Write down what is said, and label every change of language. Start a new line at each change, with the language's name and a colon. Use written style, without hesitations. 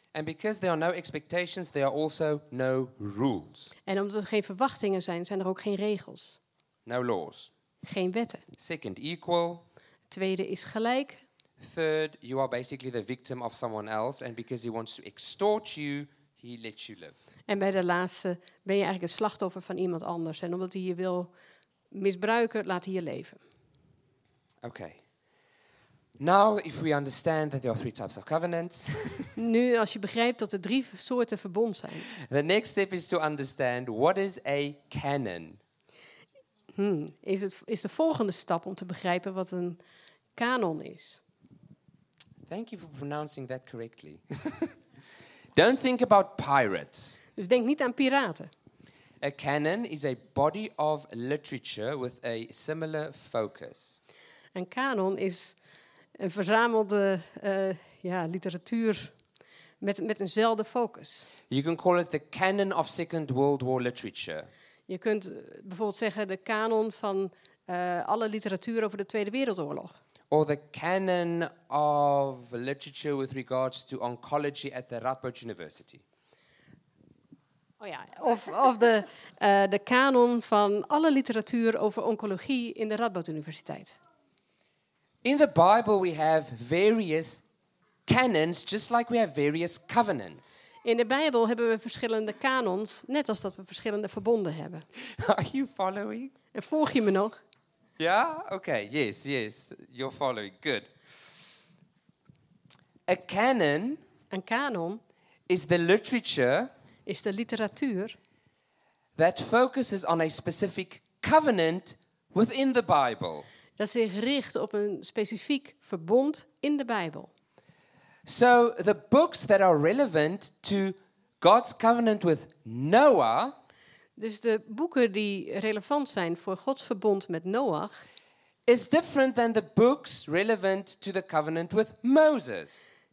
English: And because there are no expectations, there are also no rules.
Dutch: En omdat er geen verwachtingen zijn, zijn er ook geen regels.
English: No laws.
Dutch: Geen wetten.
English: Second, equal.
Dutch: Tweede is gelijk.
English: Third, you are basically the victim of someone else, and because he wants to extort you, he lets you live.
Dutch: En bij de laatste ben je eigenlijk het slachtoffer van iemand anders, en omdat hij je wil misbruiken, laat hij je leven.
English: Okay. Now, if we understand that there are three types of covenants.
Dutch: Nu, als je begrijpt dat er drie soorten verbond zijn.
English: The next step is to understand what is a canon.
Dutch: Is de volgende stap om te begrijpen wat een canon is.
English: Thank you for pronouncing that correctly. Don't think about pirates.
Dutch: Dus denk niet aan piraten.
English: A canon is a body of literature with a similar focus.
Dutch: Een kanon is een verzamelde literatuur met eenzelfde focus.
English: You can call it the canon of Second World War literature.
Dutch: Je kunt bijvoorbeeld zeggen de kanon van alle literatuur over de Tweede Wereldoorlog.
English: Or the canon of literature with regards to oncology at the Radboud University.
Dutch: Oh ja, of de kanon van alle literatuur over oncologie in de Radboud Universiteit.
English: In the Bible we have various canons, just like we have various covenants.
Dutch: In de Bijbel hebben we verschillende kanons, net als dat we verschillende verbonden hebben.
English: Are you following?
Dutch: En volg je me nog? Ja, oké,
English: yes, you're following, good. A canon.
Dutch: Een kanon
English: is the literature.
Dutch: Is de literatuur.
English: That focuses on a specific covenant within the Bible.
Dutch: Dat zich richt op een specifiek verbond in de Bijbel.
English: So the books that are relevant to God's covenant with Noah.
Dutch: Dus de boeken die relevant zijn voor Gods verbond met Noach.
English: Is different than the books relevant to the covenant with Moses.